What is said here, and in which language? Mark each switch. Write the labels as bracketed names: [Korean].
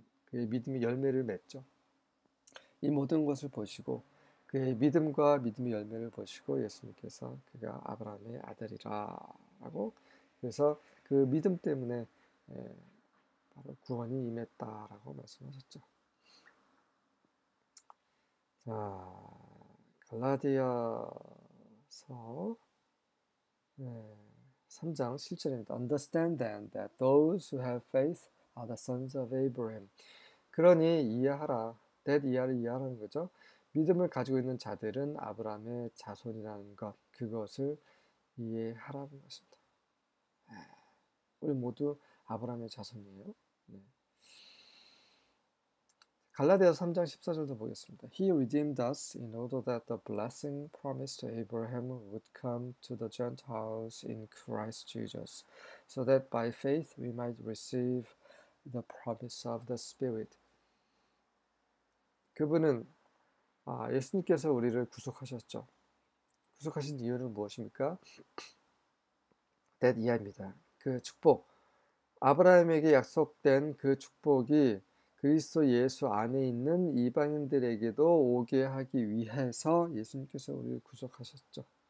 [Korean] 그의 믿음의 열매를 맺죠. 이 모든 것을 보시고 그의 믿음과 믿음의 열매를 보시고 예수님께서 그가 아브라함의 아들이라 하고 그래서 그 믿음 때문에 바로 구원이 임했다라고 말씀하셨죠. 자, 갈라디아서 3장 7절입니다. [English] Understand then that those who have faith are the sons of Abraham. [Korean] 그러니 이해하라. That 이해를 이해하라는 거죠. 믿음을 가지고 있는 자들은 아브라함의 자손이라는 것, 그것을 이해하라는 것입니다. 우리 모두 아브라함의 자손이에요. 갈라디아서 3장 14절도 보겠습니다. [English] He redeemed us in order that the blessing promised to Abraham would come to the Gentiles in Christ Jesus, so that by faith we might receive the promise of the Spirit. [Korean] 그분은 예수님께서 우리를 구속하셨죠. 구속하신 이유는 무엇입니까? That 이하입니다. 그 축복, 아브라함에게 약속된 그 축복이 그리스도 예수 안에 있는 이방인들에게도 오게 하기 위해서 예수님께서 우리를 구속하셨죠.